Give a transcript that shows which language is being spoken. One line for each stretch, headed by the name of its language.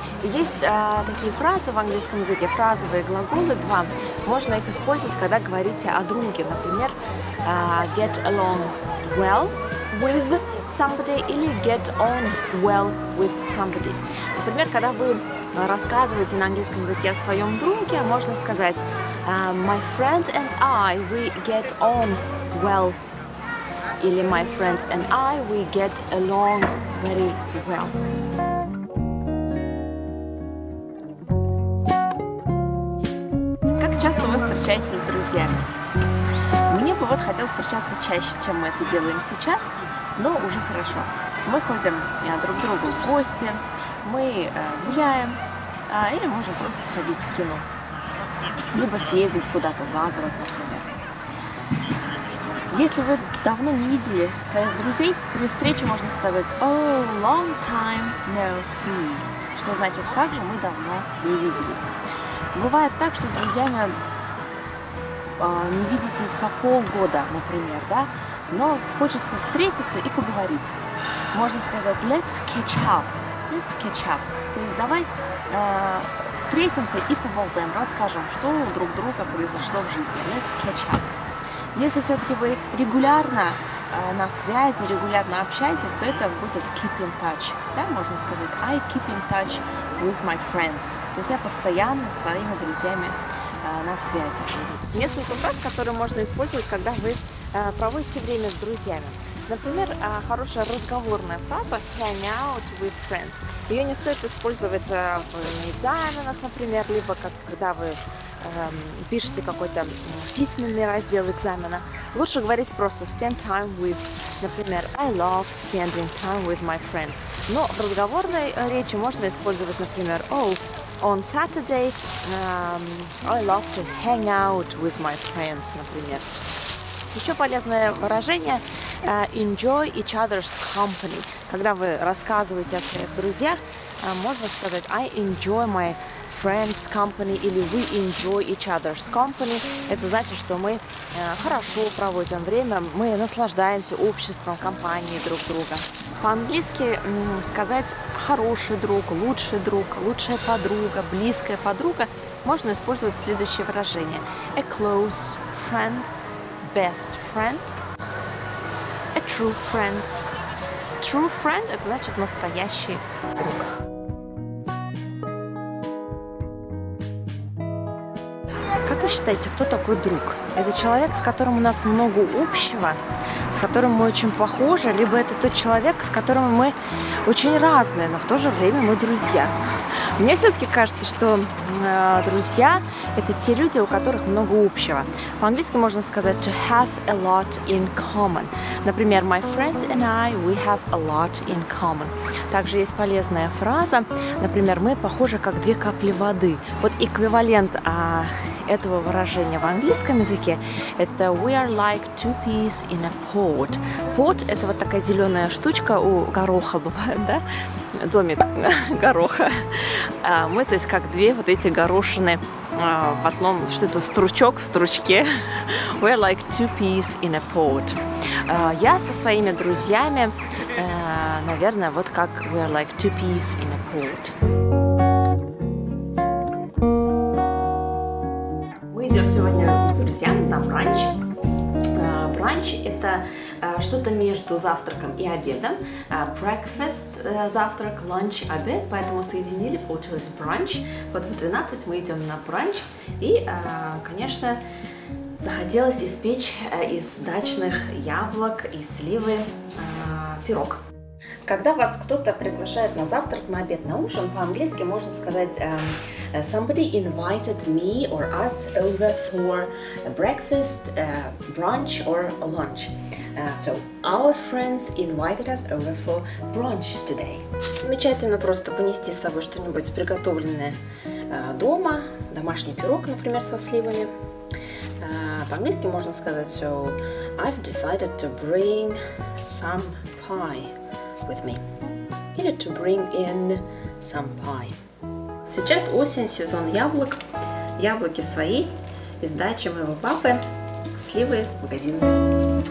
Russian: Есть такие фразы в английском языке, фразовые глаголы два. Можно их использовать, когда говорите о друге.
English: Например, get along well with somebody или get on well with somebody.
Russian: Например, когда вы рассказываете на английском языке о своем друге, можно сказать
English: my friend and I, we get on well. Или my friend and I, we get along very well.
Russian: Встречайтесь с друзьями. Мне бы вот хотел встречаться чаще, чем мы это делаем сейчас, но уже хорошо. Мы ходим друг к другу в гости, мы гуляем, или можем просто сходить в кино, либо съездить куда-то за город, например. Если вы давно не видели своих друзей, при встрече можно сказать
English: «Oh, long time no see»,
Russian: что значит «Как же мы давно не виделись». Бывает так, что друзьями не видитесь по полгода, например, да? Но хочется встретиться и поговорить. Можно сказать
English: let's catch up. Let's catch up.
Russian: То есть давай встретимся и поболтаем, расскажем, что у друг друга произошло в жизни.
English: Let's catch up.
Russian: Если все-таки вы регулярно на связи, регулярно общаетесь, то это будет keep in touch. Да, можно сказать
English: I keep in touch with my friends.
Russian: То есть я постоянно со своими друзьями на связи. Несколько фраз, которые можно использовать, когда вы проводите время с друзьями. Например, хорошая разговорная фраза
English: hang out with friends.
Russian: Ее не стоит использовать в экзаменах, например, либо когда вы пишете какой-то письменный раздел экзамена. Лучше говорить просто
English: spend time with. Например, I love spending time with my friends.
Russian: Но в разговорной речи можно использовать, например,
English: oh, on Saturday, I love to hang out with my friends, например.
Russian: Еще полезное выражение
English: enjoy each other's company.
Russian: Когда вы рассказываете о своих друзьях, можно сказать
English: I enjoy my friends company
Russian: или
English: we enjoy each other's company.
Russian: Это значит, что мы хорошо проводим время, мы наслаждаемся обществом, компанией друг друга. По-английски сказать хороший друг, лучшая подруга, близкая подруга можно использовать следующее выражение.
English: A close friend, best friend, a true friend. True friend
Russian: – это значит настоящий друг. Как вы считаете, кто такой друг? Это человек, с которым у нас много общего, с которым мы очень похожи, либо это тот человек, с которым мы очень разные, но в то же время мы друзья. Мне все-таки кажется, что друзья – это те люди, у которых много общего. По-английски можно сказать
English: to have a lot in common. Например, my friend and I, we have a lot in common.
Russian: Также есть полезная фраза, например, мы похожи как две капли воды. Вот эквивалент этого выражения в английском языке – это
English: we are like two peas in a pod.
Russian: Pod – это вот такая зеленая штучка у гороха бывает, да? Домик гороха. Мы, то есть, как две вот эти горошины в одном, что это, стручок в стручке.
English: We are like two peas in a pod.
Russian: Я со своими друзьями, наверное, вот как
English: we are like two peas in a pod.
Russian: Бранч – это что-то между завтраком и обедом. Breakfast – завтрак, lunch – обед. Поэтому соединили, получилось бранч. Вот в 12 мы идем на бранч. И, конечно, захотелось испечь из дачных яблок и сливы пирог. Когда вас кто-то приглашает на завтрак, на обед, на ужин, по-английски можно сказать
English: somebody invited me or us over for breakfast, brunch or lunch. So our friends invited us over for brunch today.
Russian: Замечательно просто понести с собой что-нибудь приготовленное дома, домашний пирог, например, со сливами. По-английски можно сказать,
English: so I've decided to bring some pie with me. Или to bring in some pie.
Russian: Сейчас осень, сезон яблок. Яблоки свои, из дачи моего папы, сливы в магазине.